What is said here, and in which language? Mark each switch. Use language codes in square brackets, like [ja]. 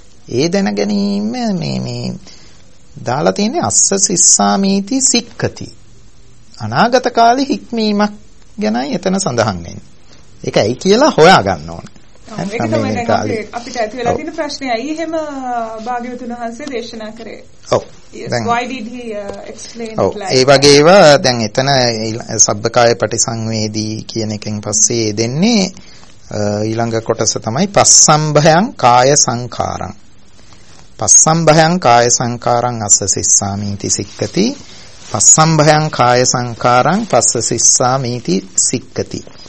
[si] ඒ දැන ගැනීම මේ දාලා තියෙන්නේ [pi] අස්ස සිස්සාමීති සික්කති. [si] අනාගත කාලේ හික්මීමක් ගැනයි එතන සඳහන් වෙන්නේ. ඒක ඇයි කියලා හොයා ගන්න ඕනේ. ඒක තමයි දැන් අපිට ඇති වෙලා තියෙන ප්‍රශ්නේ. ඇයි එහෙම භාග්‍යවතුන් වහන්සේ දේශනා කරේ? ඔව්. [en] Then, why did he explain it like that? [si] ඒ වගේවා දැන් එතන සබ්බකාය පටිසංවේදී කියන එකෙන් පස්සේ දෙන්නේ ඊළඟ කොටස තමයි [pi] පස්සම්භයං කාය සංඛාරං. පස්සම්භයං කාය සංඛාරං අස්ස සිස්සාමීති සික්කති. පස්සම්භයං කාය සංඛාරං පස්ස සිස්සාමීති සික්කති.